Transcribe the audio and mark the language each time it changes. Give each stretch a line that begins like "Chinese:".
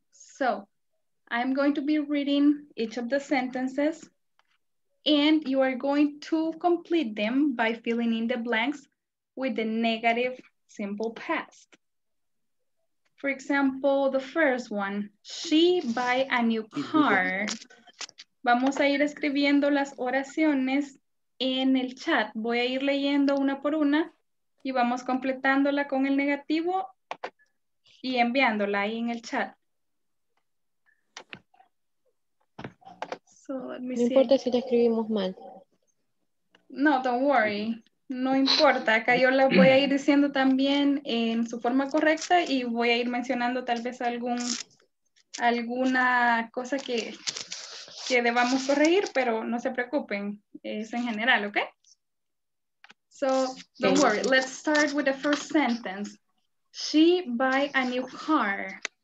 English: So I'm going to be reading each of the sentences and you are going to complete them by filling in the blanks with the negative simple past. For example, the first one, she buy a new car.
Spanish: Vamos a ir escribiendo las oraciones en el chat. Voy a ir leyendo una por una y vamos completándola con el negativo y enviándola ahí en el chat.
English: So, let me
Spanish: see. No importa si la escribimos mal.
English: No, don't worry.
Spanish: No importa. Acá yo la voy a ir diciendo también en su forma correcta y voy a ir mencionando tal vez alguna cosa que debamos corregir, pero no se preocupen, es en general, ¿ok?
English: So, don't worry, let's start with the first sentence. She buy a new car.